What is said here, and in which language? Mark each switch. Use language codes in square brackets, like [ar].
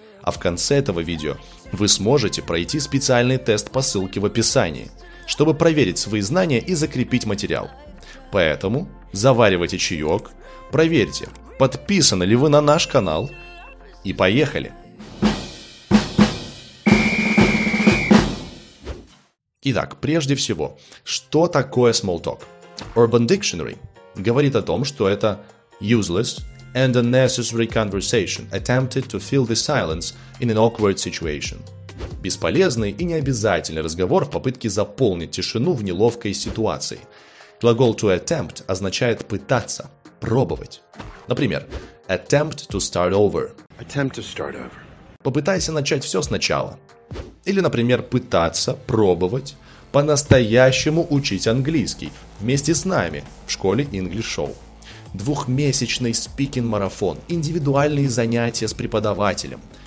[ru] А в конце этого видео вы сможете пройти специальный тест по ссылке в описании, чтобы проверить свои знания и закрепить материал. Поэтому заваривайте чаек, проверьте, подписаны ли вы на наш канал, и поехали! Итак, прежде всего, что такое small talk? [en] Urban Dictionary [ru] говорит о том, что это [en] useless and unnecessary conversation attempted to fill the silence in an awkward situation. [ru] Бесполезный и необязательный разговор в попытке заполнить тишину в неловкой ситуации. Глагол to attempt означает пытаться, пробовать. Например, [en] attempt to start over. Attempt to start over. [ru] Попытайся начать все сначала. Или, например, пытаться, пробовать, по-настоящему учить английский вместе с нами в школе English Show. Двухмесячный спикинг-марафон, индивидуальные занятия с преподавателем.